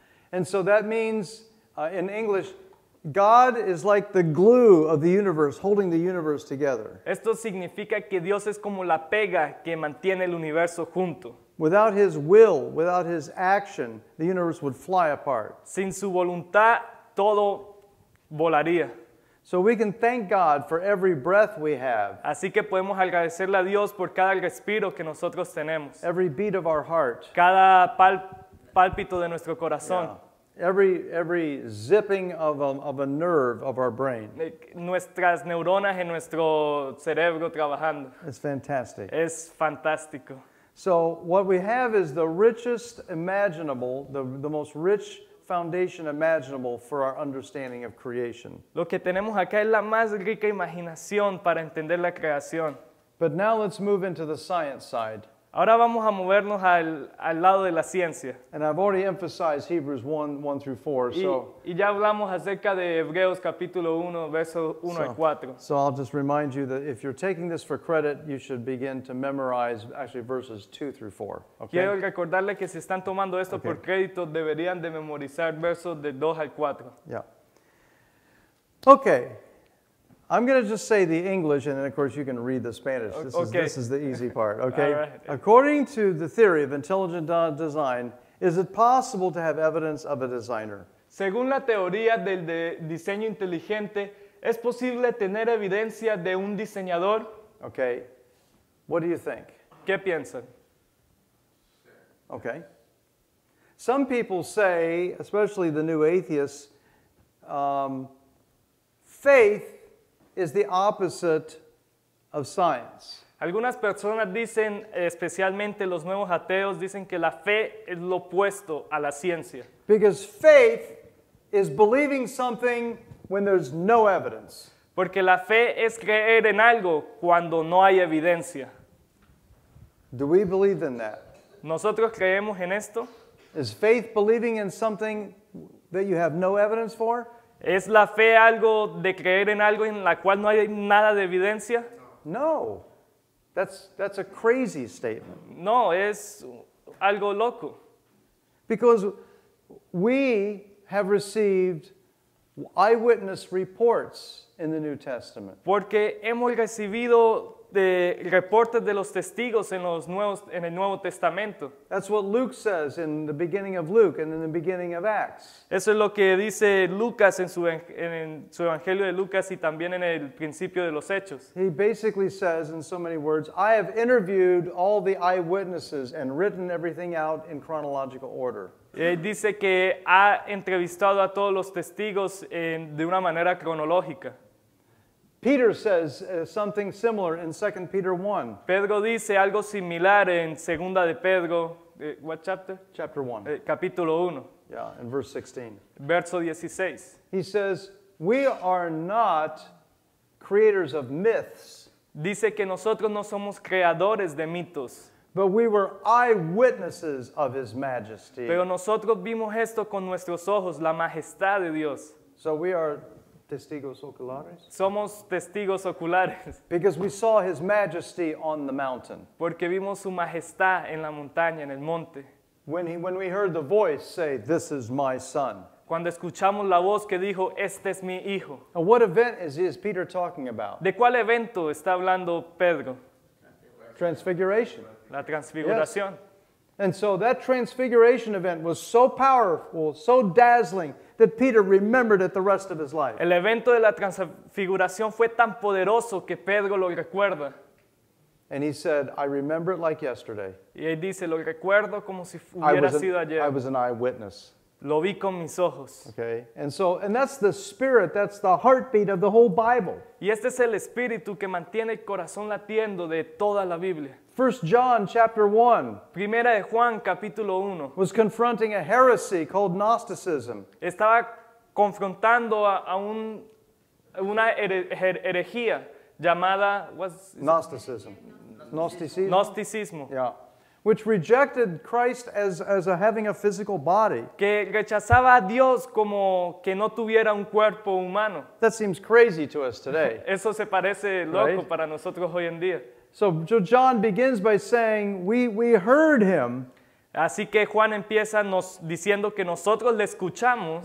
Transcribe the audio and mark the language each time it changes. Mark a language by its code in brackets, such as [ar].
[en] And so that means, in English, God is like the glue of the universe, holding the universe together. [es] Esto significa que Dios es como la pega que mantiene el universo junto. [en] Without his will, without his action, the universe would fly apart. [es] Sin su voluntad, todo volaría. [en] So we can thank God for every breath we have. [es] Así que podemos agradecerle a Dios por cada respiro que nosotros tenemos. [en] Every beat of our heart. [es] Cada pálpito de nuestro corazón. [en] Yeah. Every zipping of a nerve of our brain. [es] Nuestras neuronas en nuestro cerebro trabajando. [en] It's fantastic. [es] Es fantástico. [en] So what we have is the richest imaginable, the most rich foundation imaginable for our understanding of creation. [es] Lo que tenemos acá es la más rica imaginación para entender la creación. [en] But now let's move into the science side. [es] Ahora vamos a movernos al lado de la ciencia. [en] And I've already emphasized Hebrews 1 through 4. [es] Y ya hablamos acerca de Hebreos capítulo 1, verso 1 al 4. [en] So I'll just remind you that if you're taking this for credit, you should begin to memorize actually verses 2 through 4. Okay? [es] Quiero recordarle que si están tomando esto por crédito, deberían de memorizar versos de 2 al 4. [en] Yeah. Okay. I'm going to just say the English, and then, of course, you can read the Spanish. This is the easy part, okay? All right. According to the theory of intelligent design, is it possible to have evidence of a designer? [es] Según la teoría del diseño inteligente, ¿es posible tener evidencia de un diseñador? [en] Okay. What do you think? [es] ¿Qué piensan? [en] Okay. Some people say, especially the new atheists, faith is the opposite of science. [es] Algunas personas dicen, especialmente los nuevos ateos, dicen que la fe es lo opuesto a la ciencia. [en] Because faith is believing something when there's no evidence. [es] Porque la fe es creer en algo cuando no hay evidencia. [en] Do we believe in that? [es] ¿Nosotros creemos en esto? [en] Is faith believing in something that you have no evidence for? [es] ¿Es la fe algo de creer en algo en la cual no hay nada de evidencia? [en] No. That's a crazy statement. [es] No, es algo loco. [en] Because we have received eyewitness reports in the New Testament. [es] Porque hemos recibido de reportes de los testigos en el Nuevo Testamento. [en] That's what Luke says in the beginning of Luke and in the beginning of Acts. [es] Eso es lo que dice Lucas en su Evangelio de Lucas y también en el principio de los Hechos. [en] He basically says in so many words, I have interviewed all the eyewitnesses and written everything out in chronological order. [es] Él dice que ha entrevistado a todos los testigos de una manera cronológica. [en] Peter says something similar in 2 Peter 1. [es] Pedro dice algo similar en Segunda de Pedro. [en] What chapter? Chapter 1. [es] Capítulo 1. [en] Yeah, in verse 16. [es] Verso 16. [en] He says, we are not creators of myths. [es] Dice que nosotros no somos creadores de mitos. [en] But we were eyewitnesses of his majesty. [es] Pero nosotros vimos esto con nuestros ojos, la majestad de Dios. [en] So we are [es] testigos oculares. Somos testigos oculares. [en] Because we saw his majesty on the mountain. [es] Porque vimos su majestad en la montaña, en el monte. [en] When we heard the voice say, this is my son. [es] Cuando escuchamos la voz que dijo, este es mi hijo. [en] Now, what event is Peter talking about? [es] ¿De cuál evento está hablando Pedro? [en] Transfiguration. [es] La transfiguración. [en] Yes. And so that transfiguration event was so powerful, so dazzling, that Peter remembered it the rest of his life. [es] El evento de la transfiguración fue tan poderoso que Pedro lo recuerda. [en] And he said, I remember it like yesterday. [es] Y él dice, lo recuerdo como si hubiera sido ayer. [en] I was an eyewitness. [es] Lo vi con mis ojos. [en] Okay. And that's the spirit, that's the heartbeat of the whole Bible. [es] Y este es el espíritu que mantiene el corazón latiendo de toda la Biblia. [en] 1 John chapter 1. [es] Primera de Juan capítulo 1. [en] Was confronting a heresy called Gnosticism. [es] Estaba confrontando a una herejía llamada [en] Gnosticism. Gnosticism. [es] Gnosticismo. [en] Yeah. Which rejected Christ as having a physical body. [es] Que rechazaba a Dios como que no tuviera un cuerpo humano. [en] That seems crazy to us today. [es] Eso se parece loco, right? Para nosotros hoy en día. [en] So John begins by saying, we heard him. [es] Así que Juan empieza diciendo que nosotros le escuchamos.